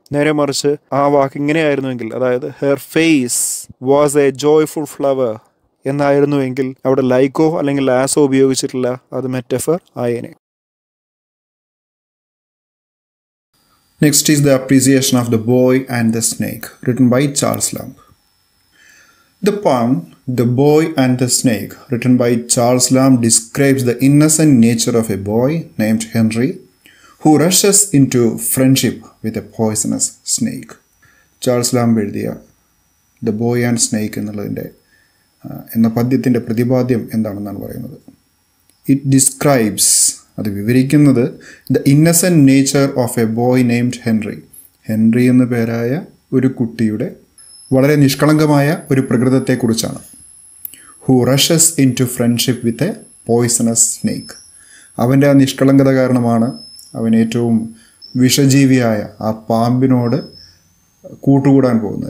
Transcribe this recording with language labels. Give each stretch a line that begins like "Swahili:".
Malayalam: നേരെ മറിച്ച് ആ വാക്ക് ഇങ്ങനെയായിരുന്നുവെങ്കിൽ, അതായത്
English: her face was a joyful flower
Malayalam: എന്നായിരുന്നുവെങ്കിൽ അവിടെ ലൈക്കോ അല്ലെങ്കിൽ ആസോ ഉപയോഗിച്ചിട്ടില്ല, അത് metaphor ആയേനെ.
English: Next is the appreciation of the boy and the snake, written by Charles Lamb. The poem, The Boy and the Snake, written by Charles Lamb, describes the innocent nature of a boy named Henry who rushes into friendship with a poisonous snake.
Malayalam: Charles Lamb എഴുതിയ The Boy and Snake എന്നുള്ളതിൻ്റെ എന്ന പദ്യത്തിൻ്റെ പ്രതിപാദ്യം എന്താണെന്നാണ് പറയുന്നത്.
English: It describes,
Malayalam: അത് വിവരിക്കുന്നത്,
English: the innocent nature of a boy named Henry.
Malayalam: Henry എന്ന പേരായ ഒരു കുട്ടിയുടെ വളരെ നിഷ്കളങ്കമായ ഒരു പ്രകൃതത്തെക്കുറിച്ചാണ്.
English: Who rushes into friendship with a poisonous snake.
Malayalam: അവൻ്റെ ആ നിഷ്കളങ്കത കാരണമാണ് അവൻ ഏറ്റവും വിഷജീവിയായ ആ പാമ്പിനോട് കൂട്ടുകൂടാൻ പോകുന്നത്.